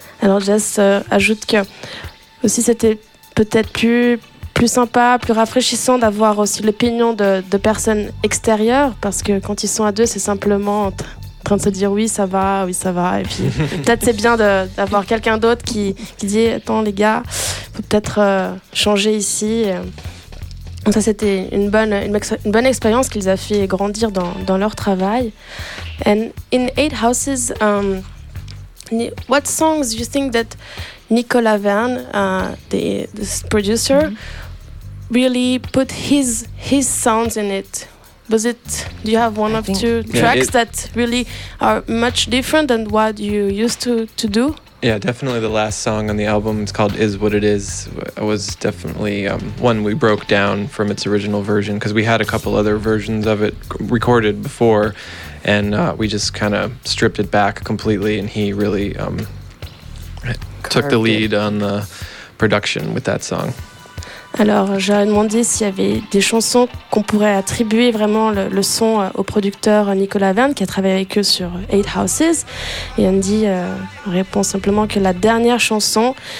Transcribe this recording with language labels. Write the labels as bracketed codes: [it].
[fr] Alors Jess ajoute que aussi c'était peut-être plus sympa, plus rafraîchissant d'avoir aussi l'opinion de personnes extérieures, parce que quand ils sont à deux, c'est simplement en train de se dire oui ça va, et puis peut-être c'est bien d'avoir quelqu'un d'autre qui dit attends les gars, faut peut-être changer ici. Et ça c'était une bonne expérience qu'ils ont fait grandir dans leur travail. [en] And in Eight Houses, what songs do you think that Nicolas Verne, the producer, mm-hmm. really put his sounds in it? Was it? Do you have one tracks that really are much different than what you used to do? Yeah, definitely. The last song on the album, it's called "Is What It Is." It was definitely one we broke down from its original version, because we had a couple other versions of it recorded before, and we just kind of stripped it back completely. And he really took the lead on the production with that song. [fr] Alors, j'ai demandé s'il y avait des chansons qu'on pourrait attribuer vraiment le son au producteur Nicolas Verne, qui a travaillé avec eux sur Eight Houses. Et Andy répond simplement que la dernière chanson,